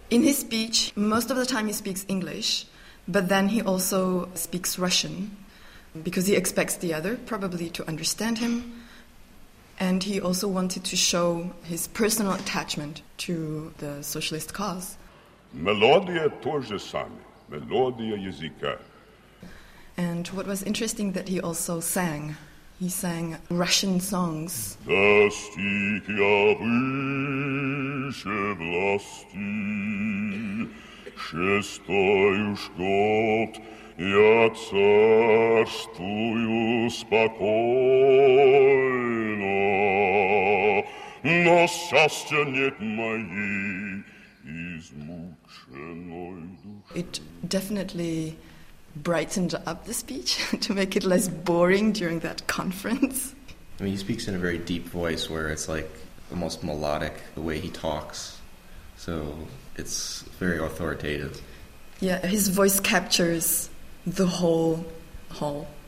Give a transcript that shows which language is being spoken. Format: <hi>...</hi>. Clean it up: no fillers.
<en>In his speech, most of the time he speaks English, but then he also speaks Russian, because he expects the other probably to understand him. And he also wanted to show his personal attachment to the socialist cause.</en> <ru>Melodia тоже сами, мелодия языка.</ru> <en>And what was interesting that he also sang. He sang Russian songs.</en> <ru>Достиг выше власти, шестой уж год. Я царствую спокойно, но счастья нет моей измученной души.</ru> <en>It definitely brightened up the speech to make it less boring during that conference. I mean, he speaks in a very deep voice where it's like almost melodic the way he talks. So it's very authoritative. Yeah, his voice captures the whole hall.</en>